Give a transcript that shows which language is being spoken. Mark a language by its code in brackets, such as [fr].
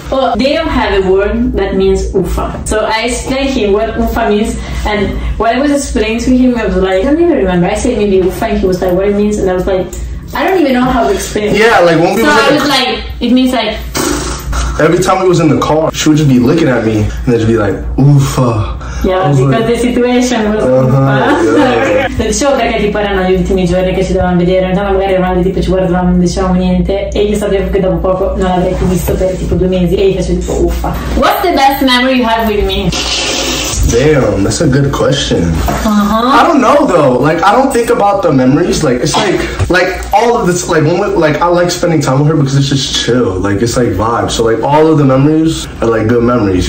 [en] Well, they don't have a word that means ufa. So I explained him what ufa means, and when I was explaining to him, I was like, I don't even remember. I said maybe ufa, and he was like, what it means, and I was like, I don't even know how to explain it. Yeah, like when we were. So I was like, it means like. Every time we was in the car, she would just be looking at me and then just be like, uffa. Yeah, because like, the situation was uffa. [it] Dicevo perché tipo erano gli ultimi giorni che ci dovevamo vedere, andava magari eravamo tipo ci guardavamo, non dicevamo niente, e io sapevo che dopo poco non l'avrei più visto per tipo 2 mesi e io facevo tipo uffa. [en] What's the best memory you have with me? Damn, that's a good question. Uh-huh. I don't know though. Like, I don't think about the memories. Like, it's like all of this. Like, when I like spending time with her because it's just chill. Like, it's like vibe. So like, all of the memories are like good memories.